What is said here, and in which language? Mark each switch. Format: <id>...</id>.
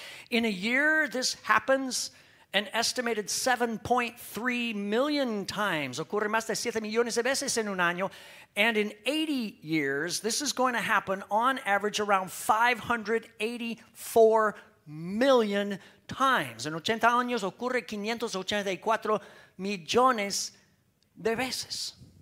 <en>In a year this happens an estimated 7.3 million times.</en> <es>Ocurre más de 7 millones de veces en un año.</es> <en>And in 80 years this is going to happen on average around 584 million times.</en> <es>En 80 años ocurre 584 millones de veces.</es>